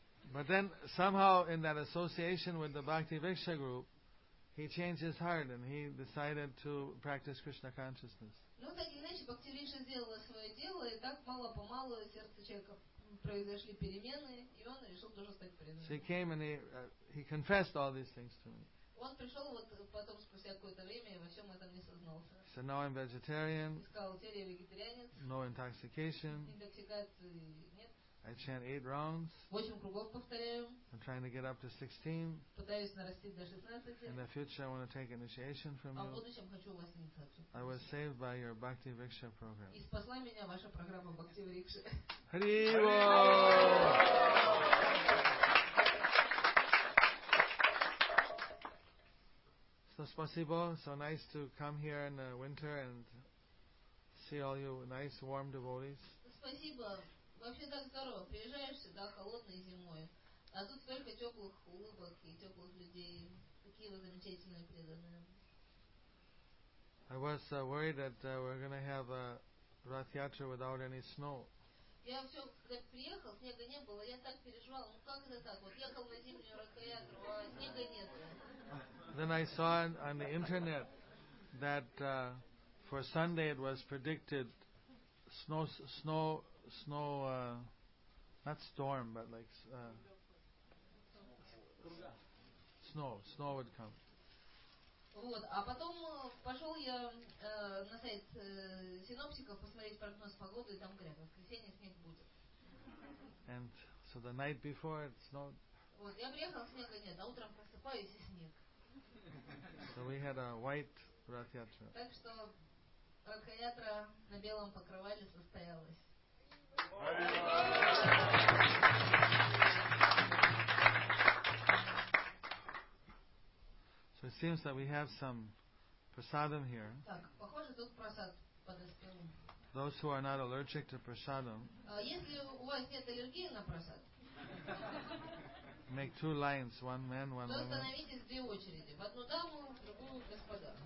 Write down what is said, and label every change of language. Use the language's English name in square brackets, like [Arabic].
[English] But then, somehow, in that association with the Bhakti Viksha group, he changed his heart and he decided to practice Krishna consciousness. [Russian] Ну, так иначе, Бхакти Викша сделала свое дело, и так мало-помалу сердце человека произошли перемены, и он решил тоже стать преданным. [English] So he came and he confessed all these things to me. [Russian] Он пришел вот потом спустя какое-то время и во всем этом не сознался. [English] So now I'm vegetarian. [Russian] Сказал, теперь я вегетарианец. [English] No intoxication. [Russian] Интоксикации нет. [English] I chant 8 rounds. [Russian] 8 кругов повторяем. [English] I'm trying to get up to 16. [Russian] Пытаюсь нарасти до 16. [English] In the future, I want to take initiation from you. [Russian] А в будущем хочу у вас инициацию. [English] I was saved by your Bhakti Riksha program. [Russian] И спасла меня ваша программа Bhakti Riksha. [English] Hari Bol. [Russian] So спасибо. [English] So nice to come here in the winter and see all you nice warm devotees. [Russian] Спасибо. Вообще так здорово. Приезжаешь сюда холодной зимой, а тут столько теплых улыбок и теплых людей. Какие вы замечательные преданные. [English] I was worried that we're gonna have a Rath Yatra without any snow. [Russian] Я все, когда приехал, снега не было, я так переживал. Ну как это так? Вот ехал на зимнюю Rath Yatra, а снега нет. [English] Then I saw on the internet that for Sunday it was predicted snow would come. [Russian] Вот, а потом пошел я на сайт синоптиков посмотреть прогноз погоды, и там говорят, воскресенье снег будет. [English] And so the night before it snowed. [Russian] Вот, я приехал, снега нет, а утром просыпаюсь и снег. [English] So we had a white Rath Yatra. [Russian] Так что Rath Yatra на белом покрывале состоялась. [English] So it seems that we have some prasadam here. [Russian] Так, похоже, тут просад подоспел. [English] Those who are not allergic to prasadam. [Russian] Если у вас нет аллергии на просад. [English] Make two lines, one man, one woman. [Russian] Остановитесь в две очереди, в одну даму, в другую господа.